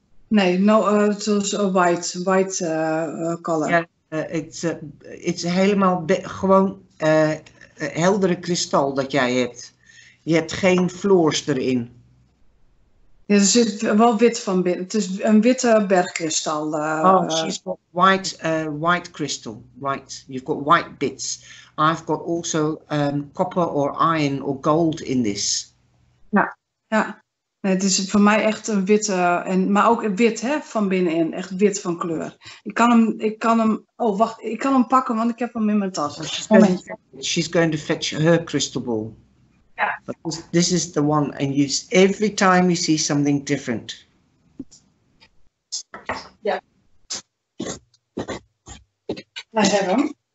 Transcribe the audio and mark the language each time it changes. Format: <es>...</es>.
<en>Nee, no, it was a white color. Yeah, it's</en> <nl>helemaal gewoon heldere kristal dat jij hebt. Je hebt geen floors erin. Ja, er zit wel wit van binnen. Het is een witte bergkristal.</nl> <en>She's got white crystal. White. You've got white bits. I've got also copper or iron or gold in this.</en> <nl>Ja, ja. Nee, het is voor mij echt een witte, maar ook wit, hè, van binnenin. Echt wit van kleur. Ik kan hem pakken, want ik heb hem in mijn tas.</nl> <en>She's going to fetch her crystal ball. Yeah. But this is the one, and you, every time you see something different. Yeah. I have them.</en>